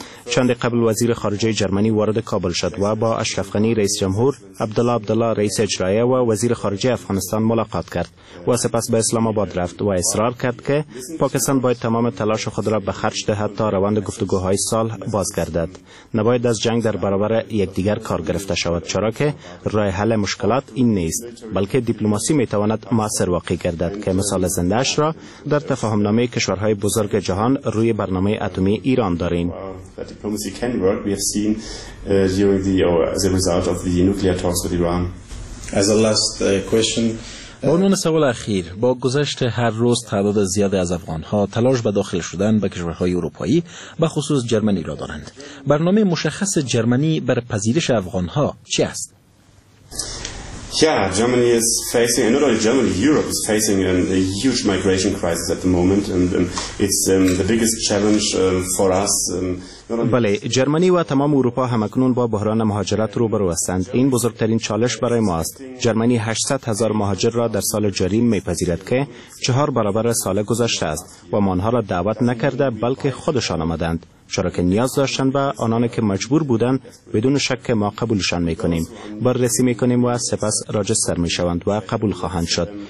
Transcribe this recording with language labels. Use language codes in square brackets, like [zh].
[fa] چند قبل وزیر خارجه جرمنی وارد کابل شد و با اشرف غنی رئیس جمهور، عبدالله عبدالله رئیس اجرایه و وزیر خارجه افغانستان ملاقات کرد و سپس به اسلام آباد رفت و اصرار کرد که پاکستان باید تمام تلاش خود را به خرج دهد تا روند گفتگوهای صلح بازگردد. نباید از جنگ در برابر یکدیگر کار گرفته شود، چرا که راه حل مشکلات این نیست، بلکه دیپلماسی می تواند مؤثر واقع گردد که مثال زنده اش را در تفاهم نامه کشورهای بزرگ جهان روی برنامه اتمی ایران داریم. [en] Diplomacy can work. We have seen during the or as a result of the nuclear talks with Iran. As a last question. [fa] به عنوان سوال اخیر، با گذشت هر روز تعداد زیادی از افغان‌ها تلاش به داخل شدن به کشورهای اروپایی به خصوص جرمنی را دارند. برنامه مشخص جرمنی بر پذیرش افغان‌ها چی است؟ [en] Yeah, Germany is facing, and not only Germany, Europe is facing a huge migration crisis at the moment, and it's the biggest challenge for us. [fa] بله، جرمنی و تمام اروپا همکنون با بحران مهاجرت روبرو هستند. این بزرگترین چالش برای ما است. جرمنی 800 هزار مهاجر را در سال جاری میپذیرد که 4 برابر سال گذشته است و ما آنها را دعوت نکرده بلکه خودشان آمدند، چرا که نیاز داشتند و آنان که مجبور بودند بدون شک ما قبولشان میکنیم، بررسی میکنیم و سپس راجستر میشوند و قبول خواهند شد.